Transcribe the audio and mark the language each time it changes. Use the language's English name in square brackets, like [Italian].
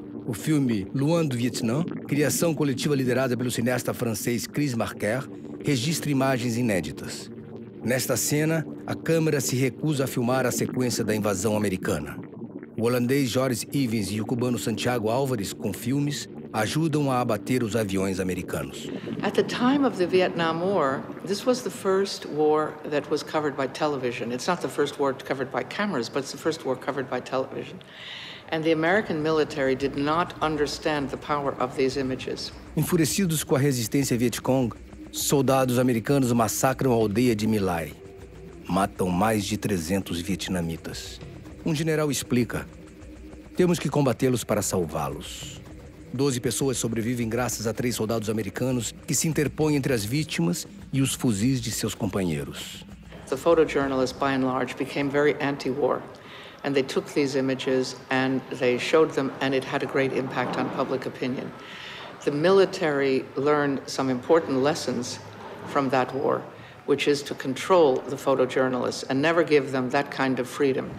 [Portuguese] O filme Luan do Vietnã, criação coletiva liderada pelo cineasta francês Chris Marker, registra imagens inéditas. Nesta cena, a câmera se recusa a filmar a sequência da invasão americana. O holandês Joris Ivens e o cubano Santiago Álvares, com filmes, ajudam a abater os aviões americanos. [English] At the time of the Vietnam War, this was the first war that was covered by television. It's not the first war covered by cameras, but it's the first war covered by television. And the American military did not understand the power of these images. [Portuguese] Enfurecidos com a resistência Vietcong, soldados americanos massacram a aldeia de My Lai. Matam mais de 300 vietnamitas. Um general explica: temos que combatê-los para salvá-los. 12 pessoas sobrevivem graças a 3 soldados americanos que se interpõem entre as vítimas e os fuzis de seus companheiros. [English] The photojournalists, by and large, became very anti-war. And they took these images and they showed them, and it had a great impact on public opinion. The military learned some important lessons from that war, which is to control the photojournalists and never give them that kind of freedom.